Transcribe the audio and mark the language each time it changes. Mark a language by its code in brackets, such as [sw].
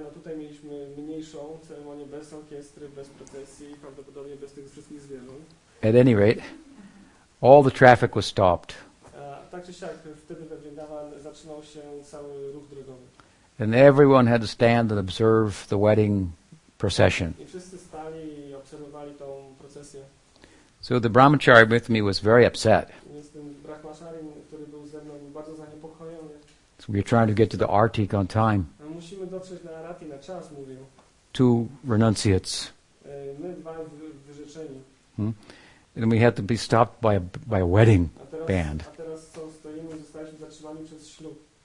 [pl] No tutaj mieliśmy mniejszą ceremonię bez orkiestry, bez procesji, prawdopodobnie bez tych wszystkich zwierząt. [en] At any rate, all the traffic was stopped. [pl] Tak czy siak, wtedy we Vrindavan zaczynał się cały ruch drogowy. [en] And everyone had to stand and observe the wedding procession. [pl] I wszyscy stali i obserwowali tą procesję. [en] So the brahmachari with me was very upset. [pl] Więc ten brahmachari, który był ze mną, był bardzo zaniepokojony. [en] We're trying to get to the Artik on time. [pl] Musimy dotrzeć na Arati na czas, mówił. [en] Two renunciates. [pl] My dwa wyrzeczeni. [en] And we had to be stopped by a wedding band. [pl] A teraz co stoimy, zostaliśmy zatrzymani przez ślub.